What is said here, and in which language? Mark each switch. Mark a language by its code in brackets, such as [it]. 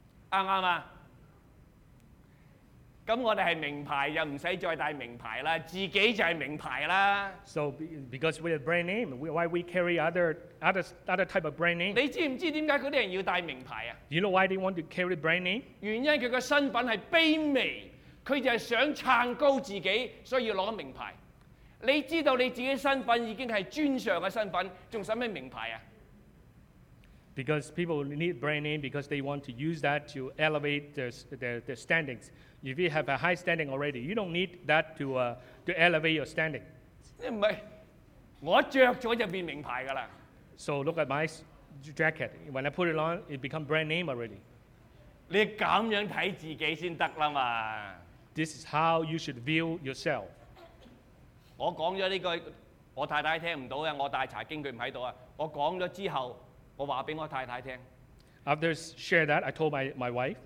[yue] 啱唔啱啊？咁我哋系名牌，又唔使再戴名牌啦，自己就系名牌啦。 [en] So because we have brand name, why we carry other type of brand name? [yue] 你知唔知点解嗰啲人要戴名牌啊 [en] ？You know why they want to carry brand name? [yue] 原因佢个身份系卑微，佢就系想撑高自己，所以要攞名牌。你知道你自己身份已经系尊上嘅身份，仲使咩名牌啊？ [en] Because people need brand name because they want to use that to elevate their standings. If you have a high standing already, you don't need that to elevate your standing. [yue] 唔係，我著咗就變名牌㗎啦。 [en] So look at my jacket. When I put it on, it become brand name already. [yue] 你咁樣睇自己先得啦嘛。 [en] This is how you should view yourself. [yue] 我講咗呢句，我太太聽唔到啊！我帶茶經佢唔喺度啊！我講咗之後。我話俾我太太聽。 [en] After share that, I told my wife.